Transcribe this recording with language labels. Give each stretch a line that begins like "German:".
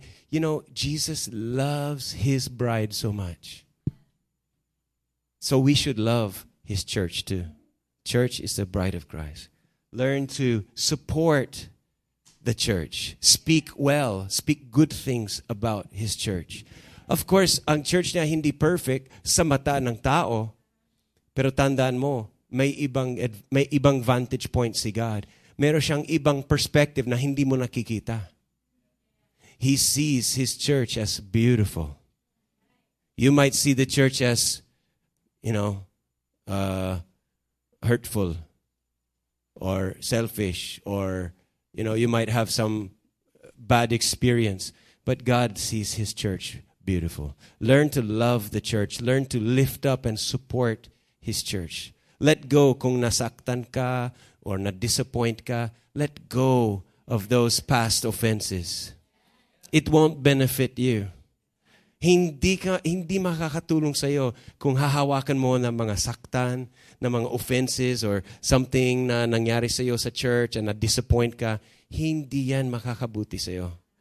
English: And you know, Jesus loves His bride so much. So we should love His church too. Church is the bride of Christ. Learn to support the church. Speak well. Speak good things about His church.
Filipino: Of course, ang church niya hindi perfect sa mata ng tao. Pero tandaan mo, may ibang vantage point si God. Meron siyang ibang perspective na hindi mo nakikita.
English: He sees His church as beautiful. You might see the church as, you know, hurtful or selfish, or, you know, you might have some bad experience. But God sees His church beautiful. Learn to love the church. Learn to lift up and support His church. Let go
Filipino: kung nasaktan ka or na-disappoint ka.
English: Let go of those past offenses. It won't benefit you.
Filipino: Hindi makakatulong sa'yo kung hahawakan mo ng mga saktan, ng mga offenses, or something na nangyari sa'yo sa church and na-disappoint ka. Hindi yan makakabuti sa'yo.